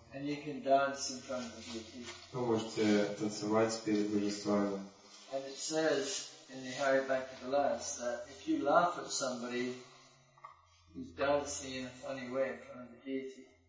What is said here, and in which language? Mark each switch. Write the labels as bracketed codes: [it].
[en] And you can dance in front of the deity. [ru] Вы можете танцевать перед божествами. [en] And it says in the Hari Bhaktivilas that if you laugh at somebody who's dancing in a funny way in front of the deity.